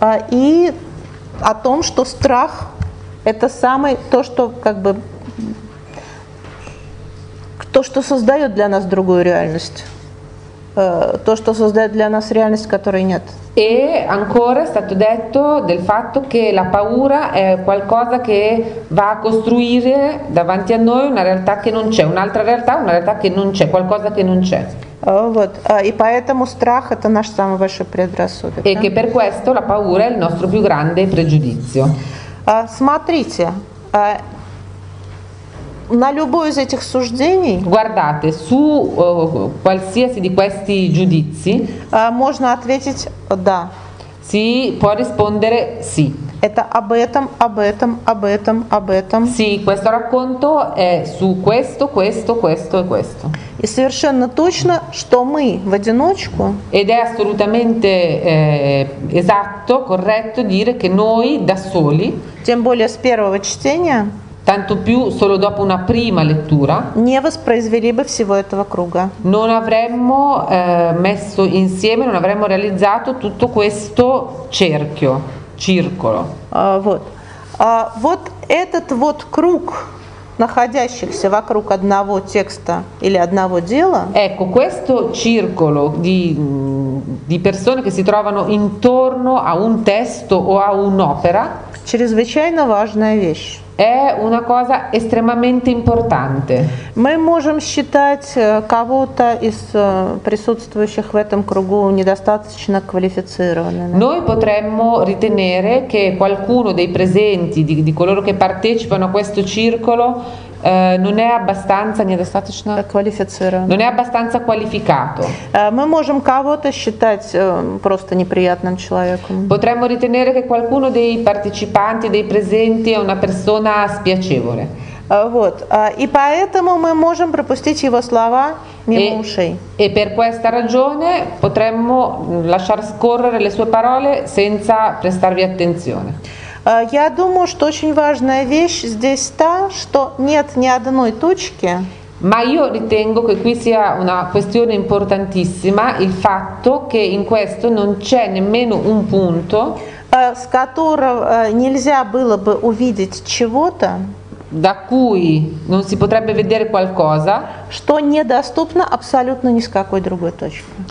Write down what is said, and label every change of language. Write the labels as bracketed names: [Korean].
[Russian] И о том, что страх это самое то, что как бы то, что создает для нас другую реальность, то, что создает для нас реальность, которой нет. [Italian] E ancora è stato detto del fatto che la paura è qualcosa che va a costruire davanti a noi una realtà che non c'è, un'altra realtà, una realtà che non c'è, qualcosa che non c'è. [Russian] Вот. И поэтому страх это наш самый большой предрассудок. [Italian] E che per questo la paura è il nostro più grande pregiudizio. [Russian] Смотрите. На любое из этих суждений. [Italian] Guardate, su qualsiasi di questi giudizi. [Russian] Можно ответить да. [Italian] Si può rispondere sì. [Russian] Это об этом, об этом, об этом, об этом. [Italian] Sì, questo racconto è su questo, questo, questo e questo. [Russian] И совершенно точно, что мы в одиночку. [Italian] Ed è assolutamente esatto, corretto dire che noi da soli. [Russian] Тем более с первого чтения. [Italian] Tanto più solo dopo una prima lettura [Russian] не воспроизвели бы всего этого круга. [Italian] Non avremmo messo insieme, non avremmo realizzato tutto questo cerchio, circolo. [Russian] Вот этот вот круг, находящихся вокруг одного текста или одного дела. [Italian] Ecco questo circolo di persone che si trovano intorno a un testo o a un'opera. [Russian] Чрезвычайно важная вещь. [Italian] È una cosa estremamente importante. [Russian] Мы можем считать кого-то из присутствующих в этом кругу недостаточно квалифицированным. [Italian] Noi potremmo ritenere che qualcuno dei presenti, di coloro che partecipano a questo circolo, non è abbastanza [Russian] недостаточно квалифицированным. [Italian] Non è abbastanza qualificato. [Russian] Мы можем кого-то считать просто неприятным человеком. [Italian] Potremmo ritenere che qualcuno dei partecipanti, dei presenti è una persona spiacevole. [Russian] И поэтому мы можем пропустить его слова мимо ушей. [Italian] E per questa ragione potremmo lasciar scorrere le sue parole senza prestarvi attenzione. [Russian] Я думаю, что очень важная вещь здесь та, что нет ни одной точки. [Italian] Ma io ritengo che qui sia una questione importantissima il fatto che in questo non c'è nemmeno un punto. [Russian] С которого нельзя было бы увидеть чего-то, [Italian] da cui non si potrebbe vedere qualcosa, [Russian] что недоступно абсолютно ни с какой другой точки.